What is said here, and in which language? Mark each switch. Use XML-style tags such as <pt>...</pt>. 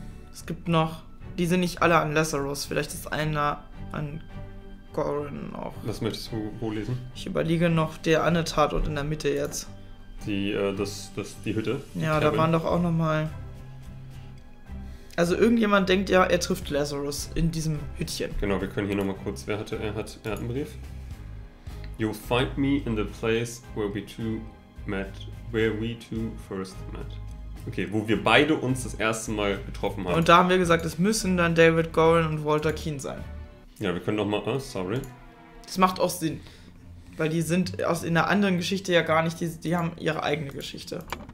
<de>Es gibt noch... Die sind nicht alle an Lazarus. Vielleicht ist einer an Gorin auch. Was möchtest du wo lesen? Ich überlege noch der andere Tatort in der Mitte jetzt. Die Hütte? Die ja, Cabin. Da waren doch auch nochmal... Also irgendjemand denkt ja, er trifft Lazarus in diesem Hüttchen. Genau, wir können hier nochmal kurz... Er hat einen Brief.</de> <en>You'll find me in the place where we two met... Where we two first met.</en> <de>Okay, wo wir beide uns das erste Mal getroffen haben. Und da haben wir gesagt, es müssen dann David Gorin und Walter Keen sein. Ja, wir können nochmal... sorry. Das macht auch Sinn. Weil die sind aus in der anderen Geschichte ja gar nicht... Die haben ihre eigene Geschichte.</de>